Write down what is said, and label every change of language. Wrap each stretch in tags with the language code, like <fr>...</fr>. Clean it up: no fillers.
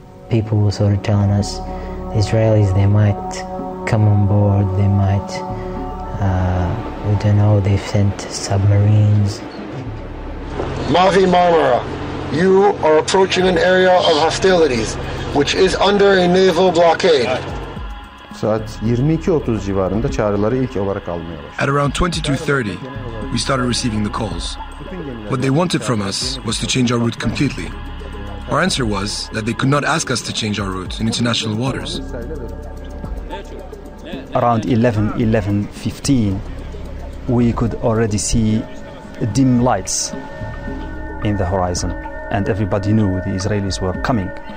<en>People were sort of telling us, Israelis, they might come on board, they might, we don't know, they've sent submarines. Mavi Marmara, you are approaching an area of hostilities, which is under a naval blockade.</en> <tr>Saat 22:30 civarında çağrıları ilk olarak almaya başladı.</tr> <en>At around 22:30, we started receiving the calls. What they wanted from us was to change our route completely. Our answer was that they could not ask us to change our route in international waters. Around 11:15, we could already see dim lights in the horizon, and everybody knew the Israelis were coming.</en>